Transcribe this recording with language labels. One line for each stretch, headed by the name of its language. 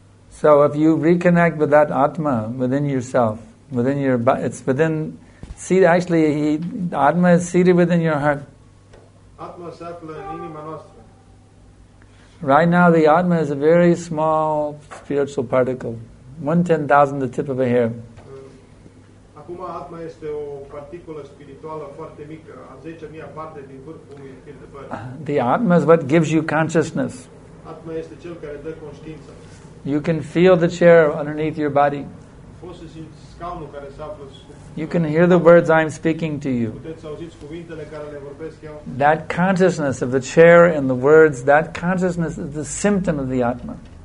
English: So if you reconnect with that Atma within yourself, within your body, it's within, see, actually, Atma is seated within your heart.
Romanian: Atma se află în inima noastră.
English: Right now the Atma is a very small spiritual particle. 1/10,000 the tip of a hair.
Romanian: Acum Atma este o particulă spirituală foarte mică, a 10.000 parte din vârful unui fir de păr.
English: The Atma is what gives you consciousness.
Romanian: Atma este cel care dă conștiință.
English: You can feel the chair underneath your body.
Romanian: Poți să simți scaunul care se află sub.
English: You can hear the words I'm speaking to you. That consciousness of the chair and the words, that consciousness is the symptom of the Atma.